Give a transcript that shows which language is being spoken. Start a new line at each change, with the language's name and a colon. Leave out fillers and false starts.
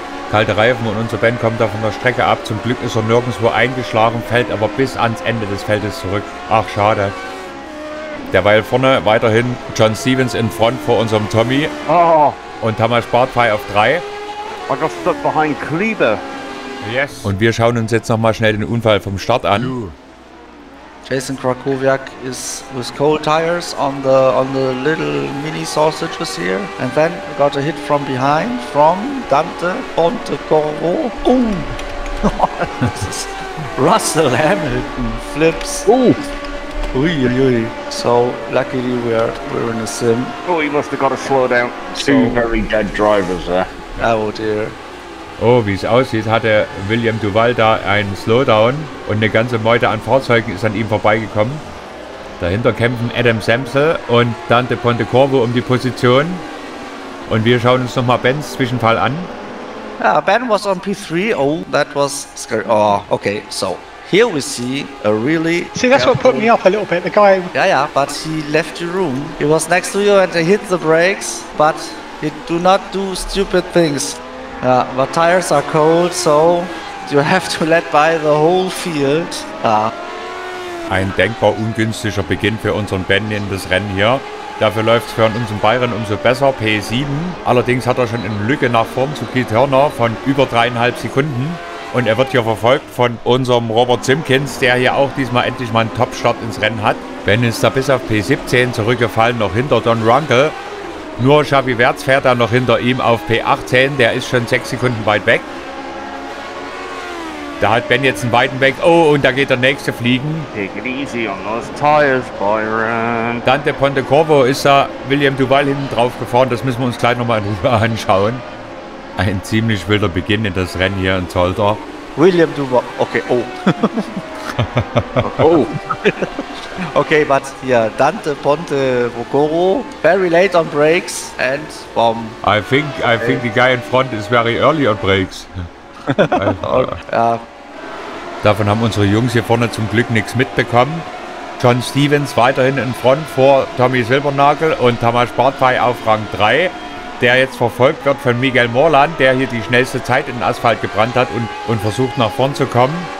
German: Kalte Reifen und unser Ben kommt da von der Strecke ab. Zum Glück ist er nirgendwo eingeschlagen, fällt aber bis ans Ende des Feldes zurück. Ach, schade. Derweil vorne weiterhin John Stevens in Front vor unserem Tommy. Oh. Und Tamás Bartpfeif auf 3.
English: I got stuck behind Kleber. Yes.
German: Und wir schauen uns jetzt nochmal schnell den Unfall vom Start an.
English: Jason Krakowiak is with cold tires on the little mini sausages here. And then got a hit from behind from Dante Pontecorvo. Ooh. Russell Hamilton flips. Ooh. Uiuiui. So luckily we're in a sim. Oh, he must have got a slowdown. Two very dead drivers there. Oh dear.
German: Oh, wie es aussieht, hatte William Duval da einen Slowdown und eine ganze Meute an Fahrzeugen ist an ihm vorbeigekommen. Dahinter kämpfen Adam Semsel und Dante Pontecorvo um die Position. Und wir schauen uns nochmal Bens Zwischenfall an.
English: Ja, Ben was on P3. Oh, that was scary. Oh, okay. So, here we see a really... See, that's what put me off a little bit. The guy... Yeah, but he left your room. He was next to you and he hit the brakes. But he do not do stupid things. But tires are cold, so you have to let by the whole field.
German: Ein denkbar ungünstiger Beginn für unseren Ben in das Rennen hier. Dafür läuft es für unseren Bayern umso besser, P7. Allerdings hat er schon eine Lücke nach vorn zu Keith Hörner von über 3,5 Sekunden. Und er wird hier verfolgt von unserem Robert Simkins, der hier auch diesmal endlich mal einen Top-Start ins Rennen hat. Ben ist da bis auf P17 zurückgefallen, noch hinter Don Runkle. Nur Xavi Wertz fährt da noch hinter ihm auf P18, der ist schon 6 Sekunden weit weg. Da hat Ben jetzt einen weiten Weg. Oh, und da geht der nächste fliegen.
English: Take it easy on those tires, Byron.
German: Dante Pontecorvo ist da William Duval hinten drauf gefahren. Das müssen wir uns gleich nochmal in Ruhe anschauen. Ein ziemlich wilder Beginn in das Rennen hier in Zolder.
English: William Duval. Okay, oh. Oh. Okay, but yeah, Dante Pontecorvo. Very late on brakes and bomb. I think the guy in front is very early on brakes. Okay. Ja.
German: Davon haben unsere Jungs hier vorne zum Glück nichts mitbekommen. John Stevens weiterhin in Front vor Tommy Silbernagel und Thomas Bartfey auf Rang 3, der jetzt verfolgt wird von Miguel Morland, der hier die schnellste Zeit in den Asphalt gebrannt hat und versucht nach vorn zu kommen.